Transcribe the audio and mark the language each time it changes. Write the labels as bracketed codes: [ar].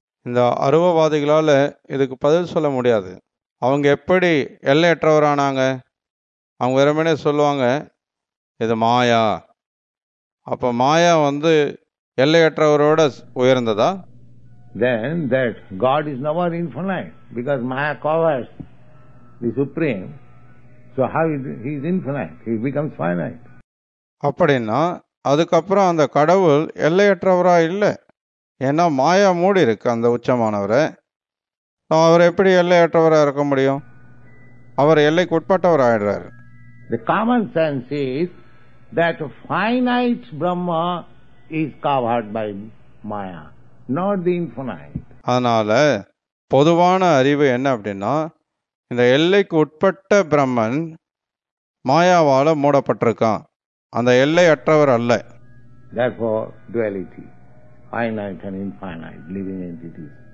[ta] இந்த அருவவாதிகளால இதுக்கு பதில் சொல்ல முடியாது. அவங்க எப்படி எல்லையற்றவரானாங்க? அவங்க வெறுமனே சொல்லுவாங்க, இது மாயா. அப்ப மாயா வந்து எல்லையற்றவரோட உயர்ந்ததா? [en] Then that God is never infinite, because Maya covers the Supreme. So how he is infinite? He becomes finite. [ta] அப்படின்னா அதுக்கப்புறம் அந்த கடவுள் எல்லையற்றவரா இல்லை? ஏன்னா மாயா மூடி இருக்கு அந்த உச்சமானவரை. அவர் எப்படி எல்லையற்றவரா இருக்க முடியும்? அவர் எல்லைக்கு உட்பட்டவர் ஆயிடுறாரு. [en] The common sense is that finite Brahma is covered by Maya. Not the infinite. [ta] அதனால பொதுவான அறிவு என்ன அப்படின்னா, இந்த எல்லைக்கு உட்பட்ட பிரம்மன் மாயாவால மூடப்பட்டிருக்கான், அந்த எல்லையற்றவர் அல்ல. [en] Therefore, duality. Finite and infinite living entities.